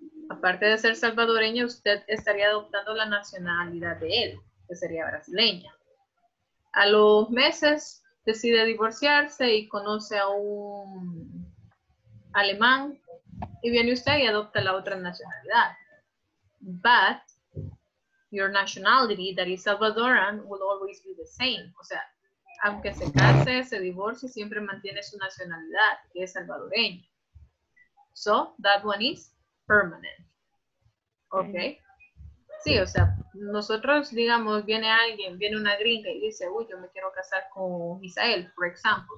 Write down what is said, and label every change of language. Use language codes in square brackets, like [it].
[es] Aparte de ser salvadoreño, usted estaría adoptando la nacionalidad de él, que sería brasileña. A los meses decide divorciarse y conoce a un alemán y viene usted y adopta la otra nacionalidad. [en] But your nationality, that is Salvadoran, will always be the same. [es] O sea, aunque se case, se divorcie, siempre mantiene su nacionalidad, que es salvadoreña. [en] So, that one is permanent. Okay. [es] Sí, o sea, nosotros, digamos, viene alguien, viene una gringa y dice, uy, yo me quiero casar con Isabel, por ejemplo.